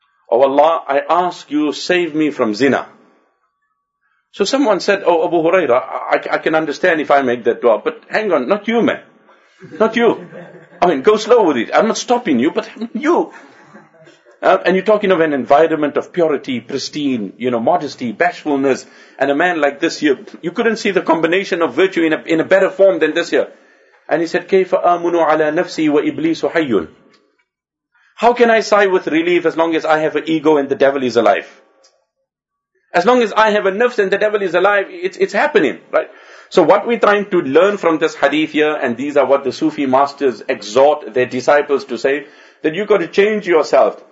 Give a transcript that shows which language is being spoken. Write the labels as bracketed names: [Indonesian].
[English] Oh Allah, I ask you, save me from zina. So someone said, oh Abu Huraira, I can understand if I make that dua, but hang on, not you, man. Not you. I mean, go slow with it. I'm not stopping you, but you. And you're talking of an environment of purity, pristine, modesty, bashfulness, and a man like this here, you couldn't see the combination of virtue in a better form than this here. And he said, [Arabic] كَيْفَ آمُنُ عَلَى نَفْسِي وَإِبْلِيسُ حَيٌّ. [English] How can I sigh with relief as long as I have an ego and the devil is alive? As long as I have a nafs and the devil is alive, it's happening, right? So what we're trying to learn from this hadith here, and these are what the Sufi masters exhort their disciples to say, that you've got to change yourself.